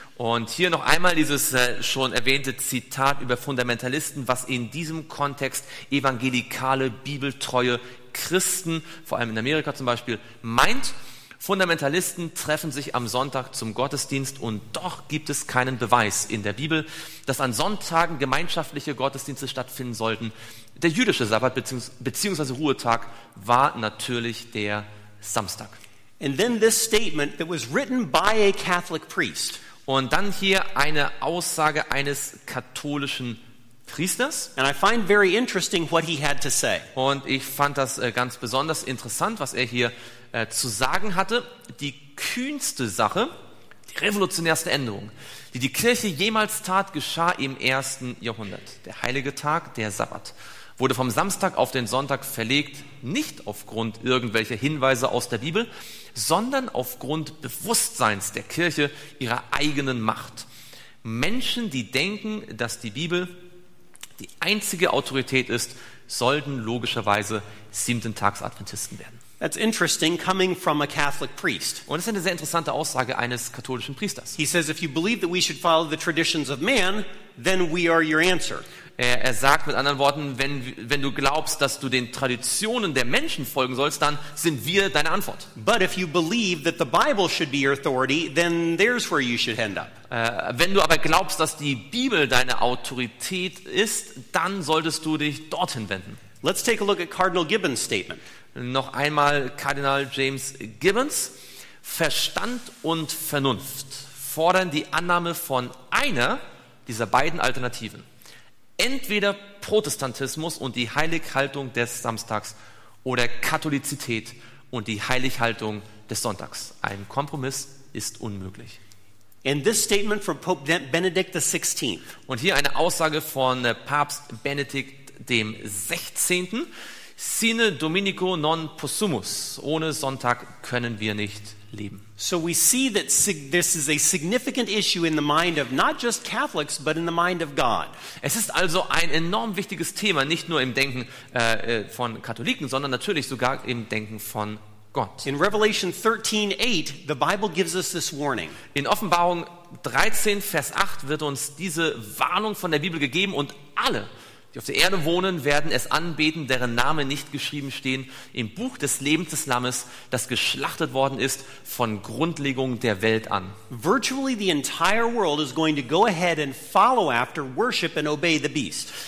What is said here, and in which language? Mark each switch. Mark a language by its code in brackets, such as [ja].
[de] Und hier noch einmal dieses schon erwähnte Zitat über Fundamentalisten, was in diesem Kontext evangelikale, bibeltreue Christen, vor allem in Amerika zum Beispiel, meint. Fundamentalisten treffen sich am Sonntag zum Gottesdienst und doch gibt es keinen Beweis in der Bibel, dass an Sonntagen gemeinschaftliche Gottesdienste stattfinden sollten. Der jüdische Sabbat bzw. Ruhetag war natürlich der Samstag. [en] And then this statement that was written by a Catholic priest. [de] Und dann hier eine Aussage eines katholischen Priesters. [en] And I find very interesting what he had to say. [de] Und ich fand das ganz besonders interessant, was er hier zu sagen hatte, die kühnste Sache, die revolutionärste Änderung, die die Kirche jemals tat, geschah im ersten Jahrhundert. Der heilige Tag, der Sabbat, wurde vom Samstag auf den Sonntag verlegt, nicht aufgrund irgendwelcher Hinweise aus der Bibel, sondern aufgrund Bewusstseins der Kirche ihrer eigenen Macht. Menschen, die denken, dass die Bibel die einzige Autorität ist, sollten logischerweise Siebenten-Tags-Adventisten werden. [en] That's interesting, coming from a Catholic priest. [de] Und das ist eine sehr interessante Aussage eines katholischen Priesters. [en] He says, if you believe that we should follow the traditions of man, then we are your answer. [de] Er sagt mit anderen Worten, wenn du glaubst, dass du den Traditionen der Menschen folgen sollst, dann sind wir deine Antwort. [en] But if you believe that the Bible should be your authority, then there's where you should end up. [de] Wenn du aber glaubst, dass die Bibel deine Autorität ist, dann solltest du dich dorthin wenden. [en] Let's take a look at Cardinal Gibbons' statement. [de] Noch einmal Kardinal James Gibbons. Verstand und Vernunft fordern die Annahme von einer dieser beiden Alternativen. Entweder Protestantismus und die Heilighaltung des Samstags oder Katholizität und die Heilighaltung des Sonntags. Ein Kompromiss ist unmöglich. [en] And this statement from Pope Benedict XVI. [de] Und hier eine Aussage von Papst Benedikt dem 16. [la] Sine Dominico non possumus. [de] Ohne Sonntag können wir nicht leben. [en] So we see that this is a significant issue in the mind of not just Catholics, but in the mind of God. [de] Es ist also ein enorm wichtiges Thema, nicht nur im Denken von Katholiken, sondern natürlich sogar im Denken von Gott. [en] In Revelation 13:8, the Bible gives us this warning. [de] In Offenbarung 13, Vers 8 wird uns diese Warnung von der Bibel gegeben und alle, die auf der Erde wohnen, werden es anbeten, deren Namen nicht geschrieben stehen im Buch des Lebens des Lammes, das geschlachtet worden ist von Grundlegung der Welt an. [en] Virtually the entire world is going to go ahead and follow after worship and obey the beast.